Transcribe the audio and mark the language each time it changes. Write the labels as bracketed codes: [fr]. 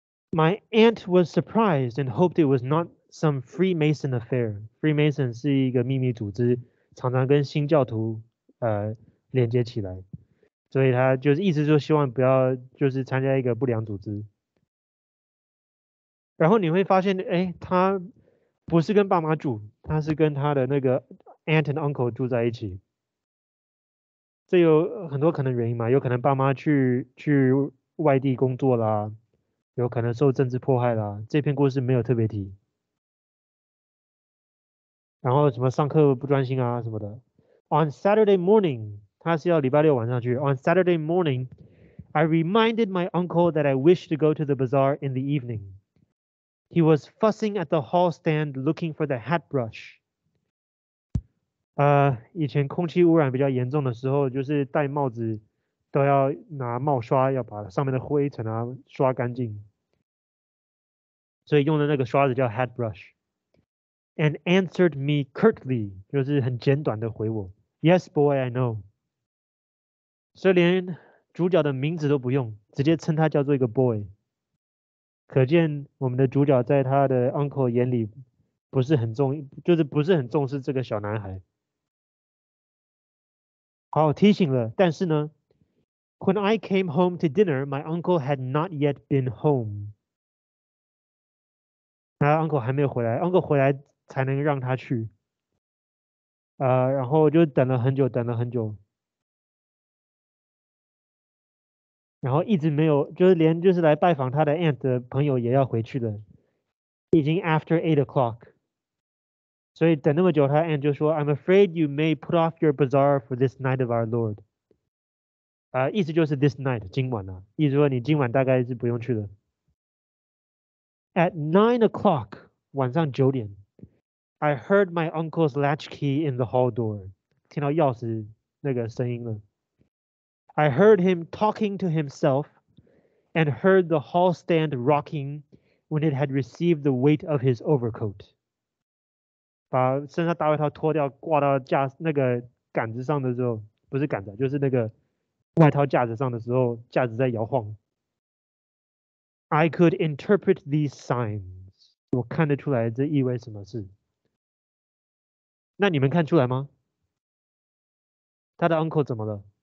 [en] My aunt was surprised and hoped it was not some Freemason affair. [zh] Freemason 是一个秘密组织，常常跟新教徒连接起来，所以他就是意思说希望不要就是参加一个不良组织。然后你会发现，哎，他不是跟爸妈住，他是跟他的那个 [en] aunt and uncle [zh] 住在一起。这有很多可能原因嘛，有可能爸妈去外地工作啦，有可能受政治迫害啦。这篇故事没有特别提。然后什么上课不专心啊什么的。 [en] On Saturday morning， [zh] 他是要礼拜六晚上去。 [en] On Saturday morning， I reminded my uncle that I wished to go to the bazaar in the evening。 He was fussing at the hall stand looking for the hat brush. [zh] 以前空气污染比较严重的时候，就是戴帽子都要拿帽刷，要把上面的灰尘啊刷干净。所以用的那个刷子叫 [en] hat brush. And answered me curtly, [zh] 就是很简短的回我 [en] ，Yes, boy, I know. [zh] 所以连主角的名字都不用，直接称他叫做一个 boy。可见我们的主角在他的 uncle 眼里不是很重，就是不是很重视这个小男孩。好提醒了，但是呢 [en] ，When I came home to dinner, my uncle had not yet been home. [zh] 他 uncle 还没有回来 ，uncle 回来才能让他去。然后就等了很久，等了很久，然后一直没有，就是连就是来拜访他的 aunt 的朋友也要回去了，已经 [en] after 8 o'clock。 [zh] 所以等那么久，他 aunt 就说 [en] ：“I'm afraid you may put off your bazaar for this night of our Lord。” [zh] 意思就是 [en] this night [zh] 今晚啊，意思说你今晚大概是不用去了。 [en] At 9 o'clock [zh] 晚上九点 [en] ，I heard my uncle's latch key in the hall door， [zh] 听到钥匙那个声音了。 [en] I heard him talking to himself, and heard the hall stand rocking when it had received the weight of his overcoat。 [zh] 把身上大外套脱掉，挂到架那个杆子上的时候，不是杆子，就是那个外套架子上的时候，架子在摇晃。 [en] I could interpret these signs， [zh] 我看得出来这意味什么事。那你们看出来吗？他的 uncle 怎么了？